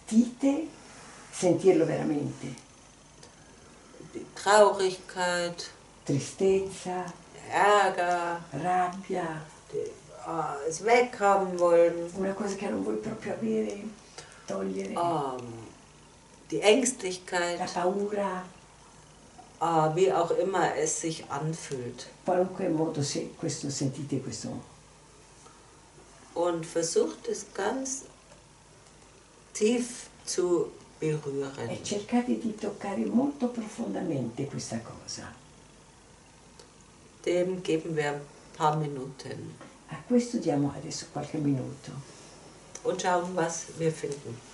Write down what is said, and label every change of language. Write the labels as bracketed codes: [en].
[it] Sentite, sentirlo veramente. [de] Die Traurigkeit, [it] Tristezza, [de] Ärger, [it] Rabbia, [de] es weghaben wollen. [it] Una cosa che non vuoi proprio avere, togliere. [de] Die Ängstlichkeit. [it] La paura. [de] Wie auch immer es sich anfühlt. [it] Qualunque modo se questo sentite questo. [de] Und versucht es ganz tief zu berühren. [it] E cercate di toccare molto profondamente questa cosa. [de] Dem geben wir ein paar Minuten. [it] A questo diamo adesso qualche minuto. [de] Und schauen, was wir finden.